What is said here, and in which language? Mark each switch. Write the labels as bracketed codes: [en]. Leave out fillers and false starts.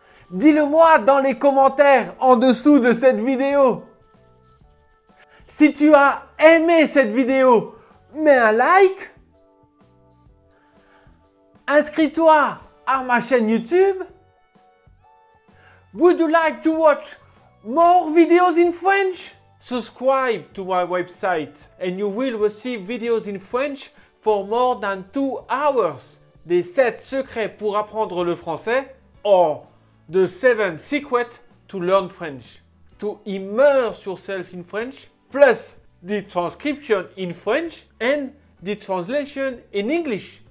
[fr] Dis-le-moi dans les commentaires en dessous de cette vidéo. Si tu as aimé cette vidéo, mets un like. Inscris-toi à ma chaîne YouTube. [en] Would you like to watch more videos in French? Subscribe to my website and you will receive videos in French for more than 2 hours. [fr] Les 7 secrets pour apprendre le français [en] or the 7 secrets to learn French. To immerse yourself in French plus the transcription in French and the translation in English.